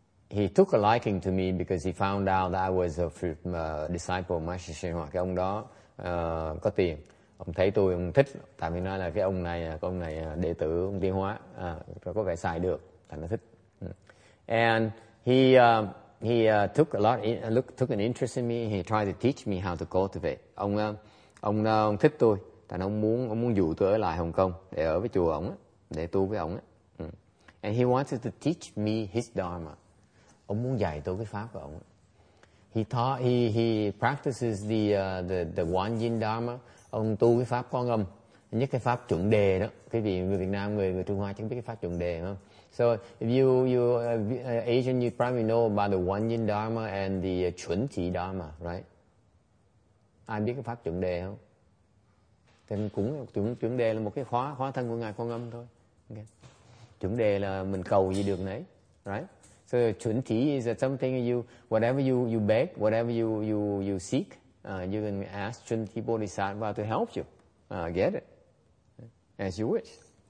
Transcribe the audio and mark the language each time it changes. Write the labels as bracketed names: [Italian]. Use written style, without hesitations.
[English] He took a liking to me because he found out that I was a disciple of Master Shen Hoa. [Vietnamese] Cái ông đó có tiền. Ông thấy tôi, ông thích. Tại vì nói là cái ông này đệ tử ông Tiên Hóa. Có vẻ xài được. Thành nó thích. [English] And he took a lot, took an interest in me. He tried to teach me how to cultivate. [Vietnamese] Ông thích tôi. Tại ông muốn dụ tôi ở lại Hồng Kông để ở với chùa ông á, để tu với ông á. [English] And he wanted to teach me his dharma. [Vietnamese] Ông muốn dạy tôi cái pháp của ông. [English] He practices the one yin dharma. [Vietnamese] Ông tu cái pháp quan âm, nhất cái pháp chuẩn đề đó. Quý vị người Việt Nam, người Trung Hoa chẳng biết cái pháp chuẩn đề không? [English] So if you Asian, you probably know about the one yin dharma and the chuẩn chỉ dharma, right? [Vietnamese] Ai biết cái pháp chuẩn đề không? Thì cũng chuẩn đề là một cái khóa thân của ngài quan âm thôi. Okay. Chuẩn đề là mình cầu gì được nấy, right? [English] So chuẩn chỉ is that something you, whatever you beg, whatever you seek, you can ask chuẩn chỉ bodhisattva to help you get it as you wish.